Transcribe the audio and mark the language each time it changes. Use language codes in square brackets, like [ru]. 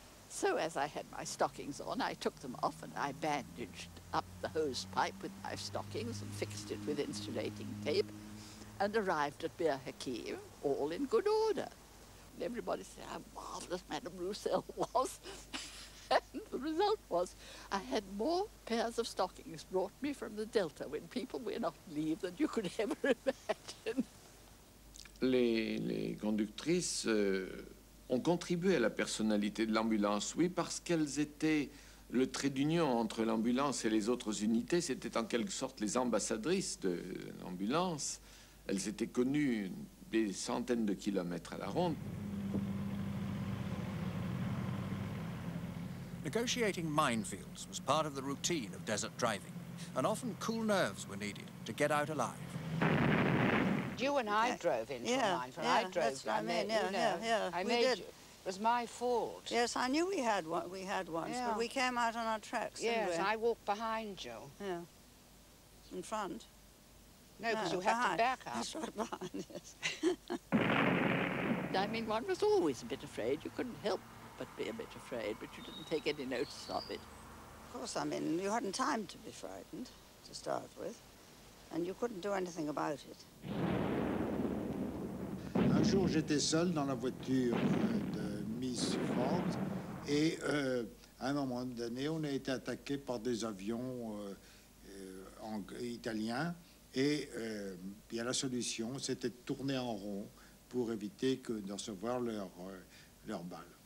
[en] So as I had my stockings on, I took them off and I bandaged up the hose pipe with my stockings and fixed it with insulating tape and arrived at Bir Hakeim all in good order. And everybody said how marvelous Madame Roussel was. And the result was I had more pairs of stockings brought me from the Delta when people went off leave than you could ever imagine. [fr] Les conductrices ont contribué à la personnalité de l'ambulance, oui, parce qu'elles étaient le trait d'union entre l'ambulance et les autres unités. C'était en quelque sorte les ambassadrices de l'ambulance. Elles étaient connues des centaines de kilomètres à la ronde. [en] Negotiating minefields was part of the routine of desert driving, and often cool nerves were needed to get out alive. You and I drove into a minefield. Yeah, I drove. That's what I mean. It was my fault. Yes, I knew we had one. We had one, yeah. But we came out on our tracks. Yes, didn't we? I walked behind you. Yeah. In front. No, because you had to back up. That's right, behind. Yes. I mean, one was always a bit afraid. You couldn't help but be a bit afraid, but you didn't take any notice of it. Of course, I mean, you hadn't time to be frightened to start with, and you couldn't do anything about it. [fr] Un jour, j'étais seul dans la voiture de Miss Ford, et à un moment donné, on a été attaqué par des avions italiens, et bien la solution, c'était de tourner en rond pour éviter que de recevoir leur balles.